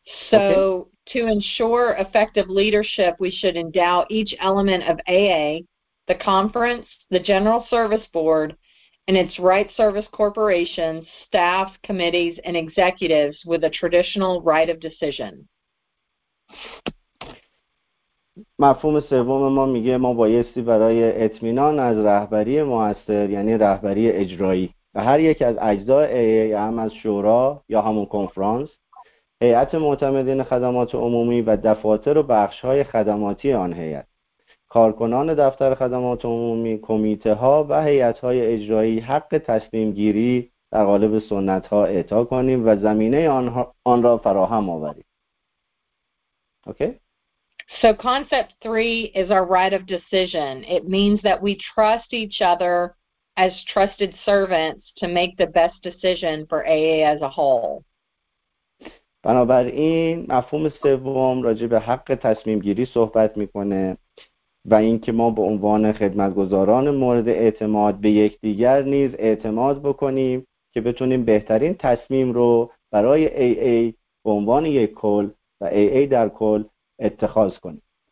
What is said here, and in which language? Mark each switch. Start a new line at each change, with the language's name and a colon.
English: So to ensure effective leadership, we should endow each element of AA, the conference, the general service board, and its right service corporations, staff, committees, and executives with a traditional right of decision.
Persian: مفهوم سوم ما میگه ما بایستی برای اطمینان از رهبری مؤثر، یعنی رهبری اجرایی هر یک از اجزا AAA هم از شورا یا همون کنفرانس، هیئت معتمدین خدمات عمومی و دفاتر و بخش های خدماتی آن هیئت، کارکنان دفتر خدمات عمومی، کمیته ها و هیئت های اجرایی حق تصمیم گیری در قالب سنت ها اعطا کنیم و زمینه آن را فراهم آوریم.
English: Okay? So concept three is our right of decision. It means that we trust each other as trusted servants to make the best decision for AA as a whole.
Persian: بنابراین مفهوم سوم راجع به حق تصمیم گیری صحبت میکنه و اینکه ما به عنوان خدمتگزاران مورد اعتماد به یکدیگر نیز اعتماد بکنیم که بتونیم بهترین تصمیم رو برای AA به عنوان یک کل و AA در کل اتخاذ کنیم.